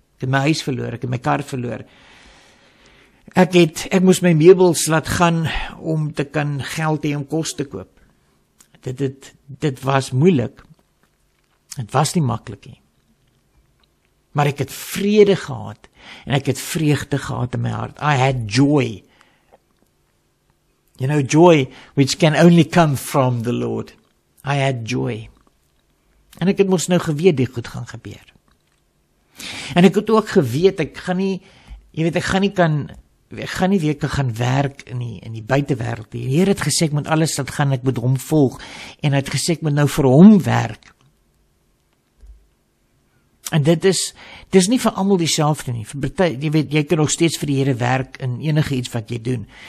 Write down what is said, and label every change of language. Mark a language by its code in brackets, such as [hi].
[af] Ek het my huis verloor, ek het my kar verloor. Ek moes my meubels laat gaan om te kan geld hê om kos te koop. Dit was moeilik. Dit was nie maklik nie. Maar ek het vrede gehad en ek het vreugde gehad in my hart. [en] I had joy. You know, joy which can only come from the Lord. I had joy. [af] En ek het mos nou geweet die goed gaan gebeur. En ek het ook geweet, ek gaan nie weer kan werk in die buitewereld. Die Heer het gesê, ek moet alles laat gaan, ek moet hom volg. En hy het gesê, ek moet nou vir hom werk. En dit is nie vir allemaal dieselfde nie. Jy kan nog steeds vir die Heere werk in enige iets wat jy doen.